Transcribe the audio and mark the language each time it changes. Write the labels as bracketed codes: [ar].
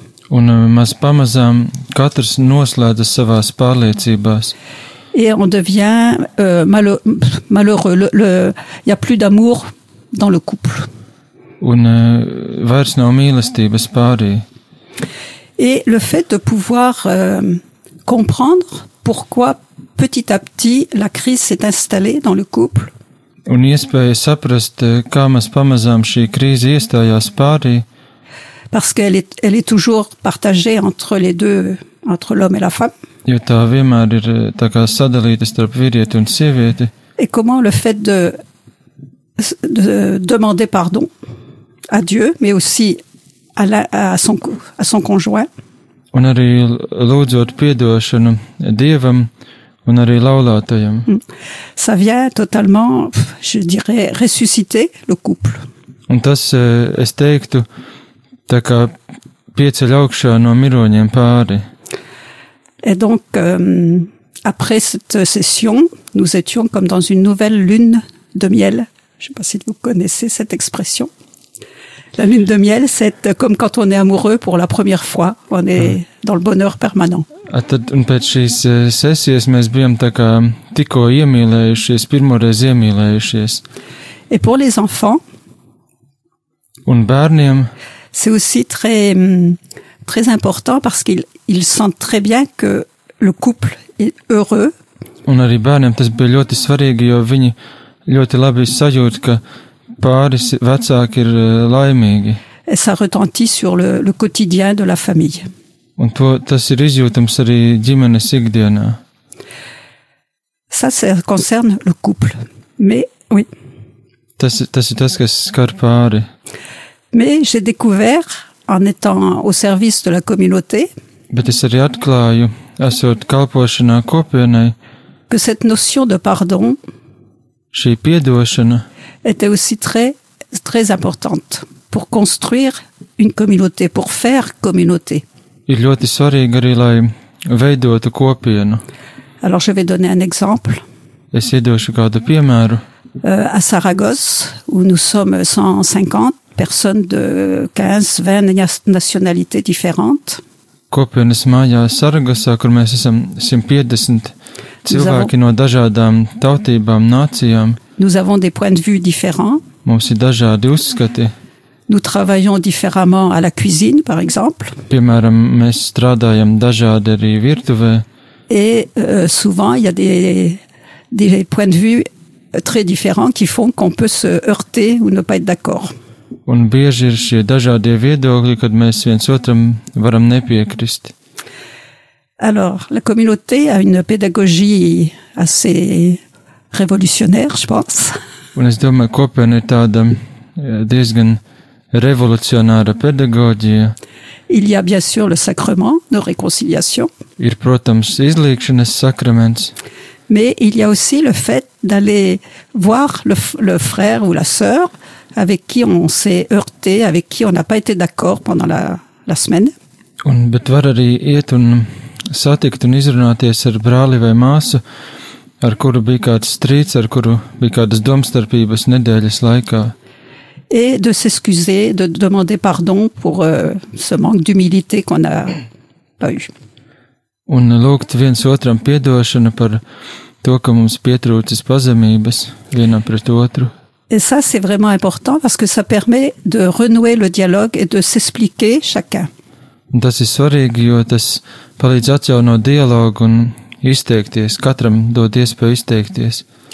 [lv] Un maz pamazām katrs noslēdzas savās pārliecībās. [fr] Et on devient malheureux. Y a plus d'amour dans le couple. [lv] Un vairs nav mīlestības pārī. [fr] Et le fait de pouvoir comprendre pourquoi petit à petit la crise s'est installée dans le couple. [lv] Un iespēja saprast, kā mēs pamazām šī krīze iestājās pārī. [fr] Parce qu'elle est toujours partagée entre les deux, entre l'homme et la femme. [lv] Jo tā vienmēr ir tā kā sadalīta starp vīrieti un sievieti. [fr] Et comment le fait de demander pardon à Dieu, mais aussi à son conjoint. [lv] Un arī lūdzot piedošanu Dievam un arī laulātajam. [fr] Ça vient totalement, je dirais, ressusciter le couple. [lv] Un tas, es teiktu, tā kā pieceļ augšā no miroņiem pāri. [fr] Et donc, après cette session, nous étions comme dans une nouvelle lune de miel. Je ne sais pas si vous connaissez cette expression. La lune de miel, c'est comme quand on est amoureux pour la première fois. On est dans le bonheur permanent. [lv] Tad, un pēc šīs sesijas mēs bijām tā kā tikko iemīlējušies, pirmoreiz iemīlējušies. [fr] Et pour les enfants, [lv] un bērniem, [fr] c'est aussi très, très important parce qu'ils sentent très bien que le couple est heureux. [lv] Un arī bērniem tas bija ļoti svarīgi, jo viņi ļoti labi sajūt, ka pāris vecāki ir laimīgi. [fr] Et ça retentit sur le quotidien de la famille. [lv] Un to, tas ir izjūtams arī ģimenes ikdienā. [fr] Ça, ça concerne le couple. Mais, oui. [lv] Tas ir tas, kas skar pāri. [fr] Mais j'ai découvert, en étant au service de la communauté, [lv] bet es arī atklāju, esot kalpošanā kopienai, [fr] que cette notion de pardon, [lv] šī piedošana, [fr] était aussi très, très importante pour construire une communauté, pour faire communauté. [lv] Ir ļoti svarīgi arī, lai veidotu kopienu. [fr] Alors, je vais donner un exemple. [lv] Es iedošu kādu piemēru. [fr] À Saragosse, où nous sommes 150 personnes de 15-20 nationalités différentes. [lv] Kopienas mājā Saragosā, kur mēs esam 150 cilvēki no dažādām tautībām, nācijām. [fr] Nous avons des points de vue différents. [lv] Mums ir dažādi uzskati. [fr] Nous travaillons différemment à la cuisine, par exemple. [lv] Piemēram, mēs strādājam dažādi arī virtuvē. [fr] Et souvent, il y a des points de vue très différents qui font qu'on peut se heurter ou ne pas être d'accord. [lv] Un bieži ir šie dažādie viedokļi, kad mēs viens otram varam nepiekrist. [fr] Alors, la communauté a une pédagogie assez révolutionnaire, je pense. [lv] Un es domāju, kopiena ir tāda diezgan revolucionāra pedagoģija. [fr] Il y a bien sûr le sacrement de réconciliation. [lv] Ir, protams, izlīkšanas sakraments. [fr] Mais il y a aussi le fait d'aller voir le frère ou la sœur avec qui on s'est heurté, avec qui on n'a pas été d'accord pendant la semaine. [lv] Un bet var arī iet un satikt un izrunāties ar brāli vai māsu, ar kuru bija kāds strīds, ar kuru bija kādas domstarpības nedēļas laikā. [fr] Et de s'excuser, de demander pardon pour ce manque d'humilité qu'on a pas eu. [lv] Un lūgt viens otram piedošanu par to, ka mums pietrūcis pazemības vienam pret otru. [fr] Et ça, c'est vraiment important parce que ça permet de renouer le dialogue et de s'expliquer chacun. [lv] Un tas ir svarīgi, jo tas palīdz atjaunot dialogu un izteikties, katram dot iespēju izteikties.